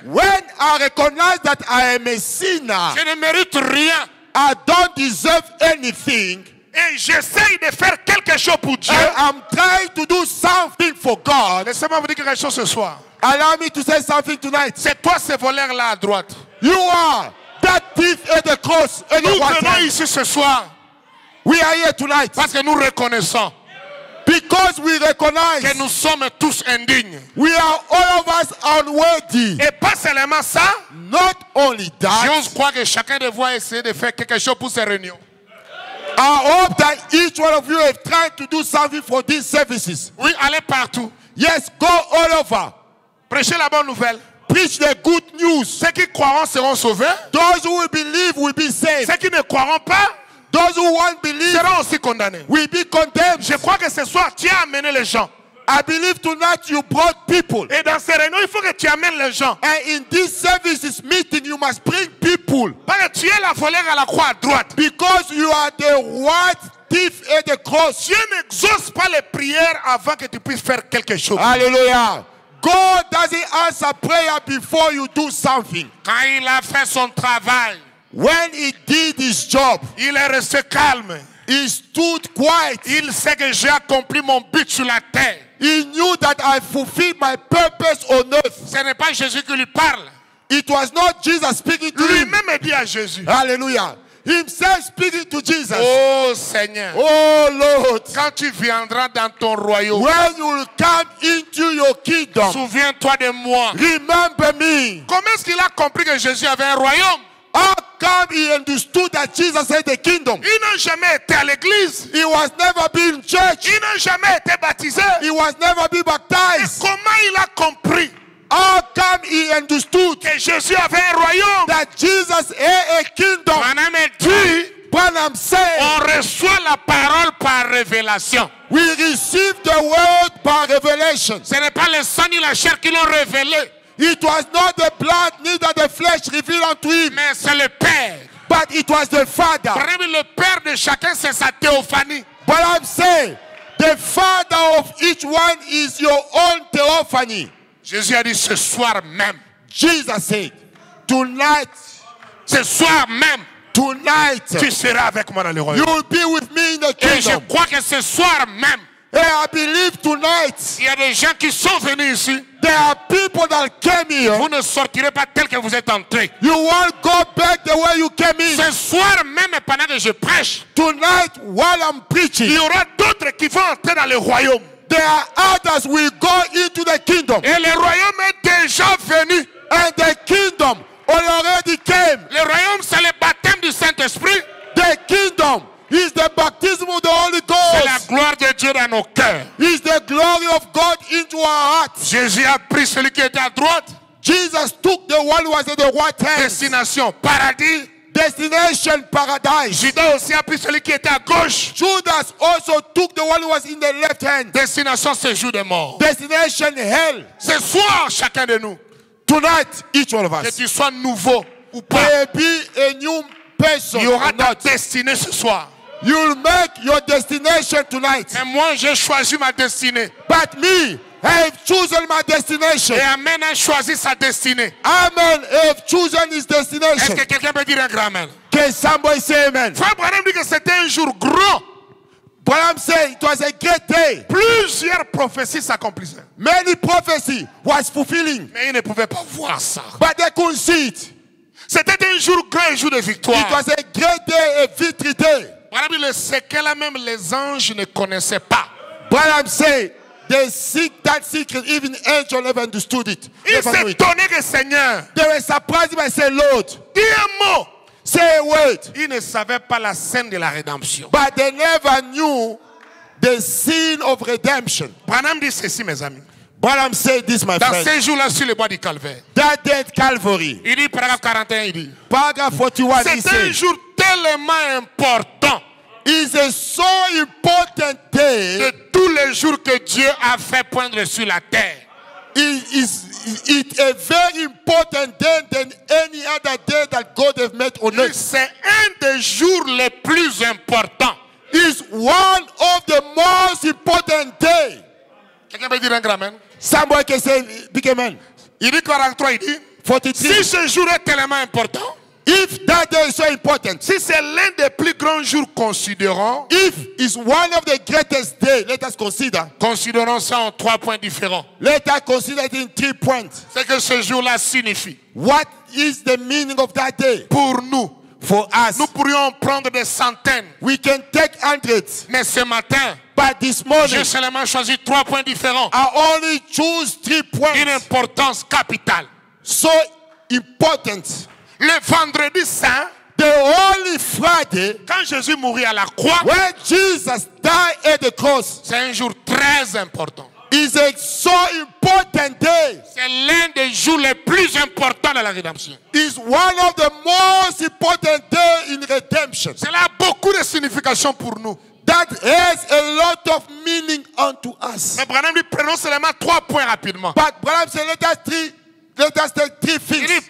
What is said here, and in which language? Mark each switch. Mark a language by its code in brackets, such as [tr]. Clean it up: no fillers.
[en] when I recognize that I am a sinner, [fr] je ne mérite rien. [en] I don't deserve anything. [fr] Et j'essaye de faire quelque chose pour Dieu. [en] I'm trying to do something for God. [fr] Laissez-moi vous dire quelque chose ce soir. [en] Allow me to say something tonight. [fr] C'est toi ce voleur là à droite. [en] You are that thief at the cross. [fr] Nous venons ici ce soir. [en] We are here tonight. [fr] Parce que nous reconnaissons. [en] Because we recognize [fr] que nous sommes tous indignes. [en] We are all of us unworthy. [fr] Et pas seulement ça. [en] Not only that. [fr] J'ose croire que chacun de vous a essayé de faire quelque chose pour ces réunions. [en] I hope that each one of you have tried to do something for these services. [fr] Oui, allez partout. [en] Yes, go all over. [fr] Prêchez la bonne nouvelle. [en] Preach the good news. [fr] Ceux qui croiront seront sauvés. [en] Those who believe will be saved. [fr] Ceux qui ne croiront pas, [en] those who won't believe, [fr] seront aussi condamnés. [en] Will be condemned. [fr] Je crois que ce soir, tu as amené les gens. [en] I believe tonight you brought people. [fr] Et dans ces réunions, il faut que tu amènes les gens. [en] And in this services meeting, you must bring people. fool. [fr] Parce que tu es la voleur à la croix à droite. [en] Because you are the what thief at the cross. [fr] Dieu n'exauce pas les prières avant que tu puisses faire quelque chose. Alléluia. [en] God doesn't answer prayer before you do something. [fr] Quand il a fait son travail, [en] when he did his job, [fr] il est resté calme. [en] He stood quiet. [fr] Il sait que j'ai accompli mon but sur la terre. [en] He knew that I fulfilled my purpose on earth. [fr] Ce n'est pas Jésus qui lui parle. [en] It was not Jesus speaking to [fr] lui-même [en] him. [fr] Lui-même dit à Jésus. [en] Hallelujah. Himself speaking to Jesus. [fr] Oh Seigneur. [en] Oh Lord. [fr] Quand tu viendras dans ton royaume. [en] When you will come into your kingdom. [fr] Souviens-toi de moi. [en] Remember me. [fr] Comment est-ce qu'il a compris que Jésus avait un royaume? [en] How come he understood that Jesus had a kingdom? [fr] Il n'a jamais été à l'église. [en] He was never been in church. [fr] Il n'a jamais été baptisé. [en] He was never been baptized. [fr] Et comment il a compris? [en] How come he understood [fr] que Jésus avait un royaume? [en] That Jesus had a kingdom. [fr] Quand on est dit, on reçoit la parole par révélation. [en] We receive the word by revelation. [fr] Ce n'est pas le sang ni la chair qui l'ont révélé. [en] It was not the blood neither the flesh revealed unto him. [fr] Mais c'est le Père. [en] But it was the Father. [fr] Prenez le Père de chacun, c'est sa théophanie. [en] But I'm saying, the Father of each one is your own theophany. [fr] Jésus a dit ce soir même. [en] Jesus said, tonight. [fr] Ce soir même. [en] Tonight. [fr] Tu seras avec moi dans le royaume. [en] You will be with me in the kingdom. [fr] Et je crois que ce soir même. [en] Hey, I believe tonight. [fr] Il y a des gens qui sont venus ici. [en] There are people that came here. [fr] Vous ne sortirez pas tel que vous êtes entré. [en] You won't go back the way you came in. [fr] Ce soir même, pendant que je prêche, [en] tonight while I'm preaching, [fr] il y aura d'autres qui vont entrer dans le royaume. [en] There are others who will go into the kingdom. [fr] Et le royaume est déjà venu. [en] And the kingdom already came. [fr] Le royaume, c'est le baptême du Saint-Esprit. [en] The kingdom. Is the baptism of the Holy Ghost. [fr] C'est la gloire de Dieu dans nos cœurs. [en] Is the glory of God into our hearts. [fr] Jésus a pris celui qui était à droite. [en] Jesus took the one who was at the right hand. [fr] Destination, paradis. [en] Destination, paradise. [fr] Judas aussi a pris celui qui était à gauche. [en] Judas also took the one who was in the left hand. [fr] Destination, séjour de mort. [en] Destination, hell. [fr] Ce soir, chacun de nous. [en] Tonight, each one of us. [fr] Que tu sois nouveau ou pas. [en] Baby, a new person, [fr] il y aura ta destinée ce soir. [en] You'll make your destination tonight. [fr] Mais moi, j'ai choisi ma destinée. [en] But me, I've chosen my destination. [fr] Et Amen a choisi sa destinée. [en] Amen, I've chosen his destination. [fr] Est-ce que quelqu'un peut dire un grand Amen? [en] Can somebody say Amen? [fr] Frère Branham dit que c'était un jour gros. [en] Branham said it was a great day. [fr] Plusieurs prophéties s'accomplissaient. [en] Many prophecies was fulfilling. [fr] Mais ils ne pouvaient pas voir ça. [en] But they couldn't see it. [fr] C'était un jour grand, un jour de victoire. [en] It was a great day, a victory day. [fr] Branham dit le secret là même les anges ne connaissaient pas. [en] Branham said they seek that secret, even angels never understood it. [fr] Ils s'étonnaient que Seigneur. [en] They were surprised by saying, Lord, [fr] dis un mot. [en] Say a word. [fr] Ils ne savaient pas la scène de la rédemption. [en] But they never knew the scene of redemption. [fr] Branham dit ceci, mes amis. [en] Branham said this, my [fr] dans [en] friend. [fr] Dans ces jours-là, sur le bois du calvaire. [en] That day at Calvary. [fr] Il dit, paragraphe 41, il dit. Paragraphe 41, c'est il dit. C'est un jour tellement important. [en] It's a so important day. [fr] De tous les jours que Dieu a fait poindre sur la terre. [en] It's a very important day than any other day that God has made on earth. [fr] C'est un des jours les plus importants. [en] It's one of the most important days. [fr] Quelqu'un peut dire un grand amen. [en] Somebody can say big amen. [fr] Il dit 43, il dit 43. Si ce jour est tellement important, [en] if that day is so important, [fr] si c'est l'un des plus grands jours considérons, [en] if is one of the greatest days, let us consider. [fr] Considérons ça en trois points différents. [en] Let us consider it in three points. [fr] Ce que ce jour-là signifie. [en] What is the meaning of that day? [fr] Pour nous, [en] for us. [fr] Nous pourrions prendre des centaines. [en] We can take hundreds. [fr] Mais ce matin. [en] But this morning, [fr] j'ai seulement choisi trois points différents. [en] I only choose three points. [fr] Une importance capitale. [en] So important. [fr] Le vendredi saint, [en] the Holy Friday, [fr] quand Jésus mourut à la croix, [en] when Jesus died at the cross, [fr] c'est un jour très important. [en] Is a so important day. [fr] C'est l'un des jours les plus importants de la rédemption. [en] Is one of the most important days in redemption. [fr] Cela a beaucoup de signification pour nous. [en] That has a lot of meaning unto us. [fr] Mais Branham dit, prenons seulement trois points rapidement. [en] But Branham said, let us take three things.